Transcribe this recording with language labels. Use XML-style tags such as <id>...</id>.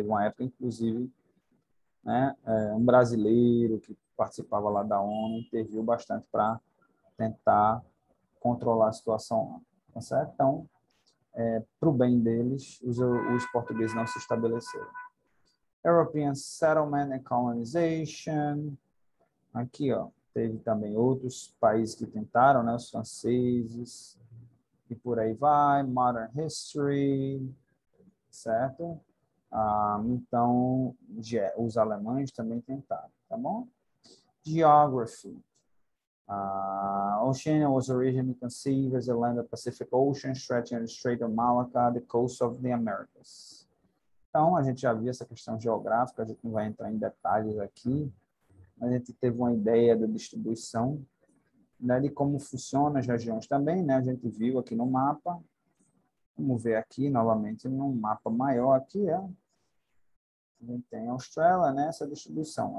<pt>Teve uma época, inclusive, né? Um brasileiro que participava lá da ONU interviu bastante para tentar controlar a situação lá. Tá certo? Então. Para o bem deles, os portugueses não se estabeleceram.</pt> <en>European Settlement and Colonization.</en> <pt>Aqui, ó, teve também outros países que tentaram, né, os franceses, e por aí vai.</pt> <en>Modern History, certo?</en> <pt>Então, os alemães também tentaram, tá bom?</pt> <en>Geography. Oceania was originally conceived as a land of the Pacific Ocean stretching the Strait of Malacca, the coast of the Americas.</en> <pt>Então, a gente já viu essa questão geográfica, a gente não vai entrar em detalhes aqui, mas a gente teve uma ideia da distribuição, né, de como funcionam as regiões também, né? A gente viu aqui no mapa. Vamos ver aqui novamente num mapa maior aqui, é. A gente tem Austrália, né, essa distribuição.</pt>